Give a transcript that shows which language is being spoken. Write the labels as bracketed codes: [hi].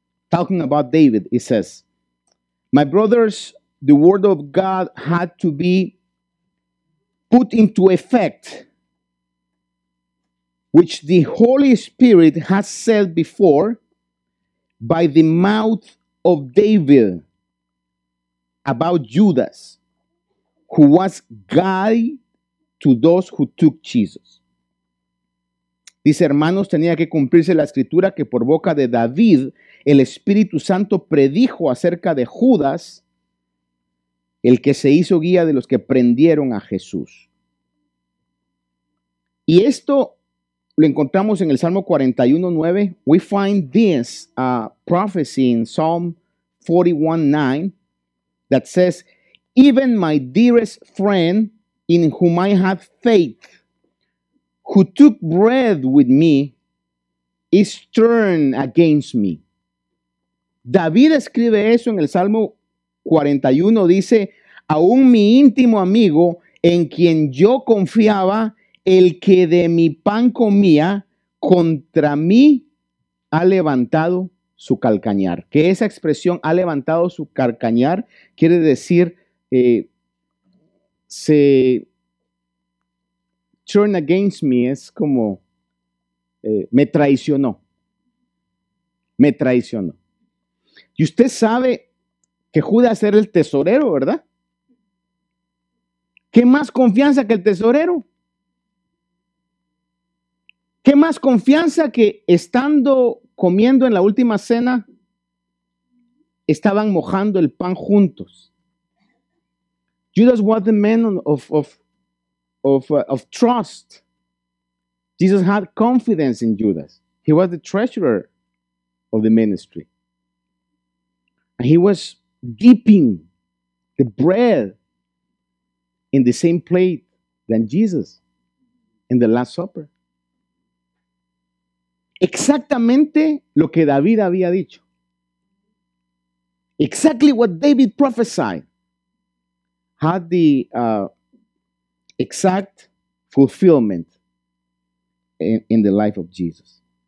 [en] Talking about David, it says, my brothers, the word of God had to be put into effect, which the Holy Spirit has said before by the mouth of David about Judas, who was guide to those who took Jesus. [es] Dice, hermanos, tenía que cumplirse la escritura que por boca de David el Espíritu Santo predijo acerca de Judas, el que se hizo guía de los que prendieron a Jesús. Y esto lo encontramos en el Salmo 41:9. [en] We find this prophecy in Psalm 41:9 that says, even my dearest friend in whom I have faith, who took bread with me, is turned against me. [es] David escribe eso en el Salmo 41, dice, aún mi íntimo amigo en quien yo confiaba, el que de mi pan comía, contra mí ha levantado su calcañar. Que esa expresión, ha levantado su calcañar, quiere decir, se [en] turn against me, [es] es como, me traicionó. Me traicionó. Y usted sabe que Judas era el tesorero, ¿verdad? ¿Qué más confianza que el tesorero? ¿Qué más confianza que estando comiendo en la última cena, estaban mojando el pan juntos? [en] Judas was the man of trust. Jesus had confidence in Judas. He was the treasurer of the ministry. And he was dipping the bread in the same plate than Jesus in the Last Supper. [es] Exactamente lo que David había dicho. [en] exactly what David prophesied had the exact fulfillment in the life of Jesus.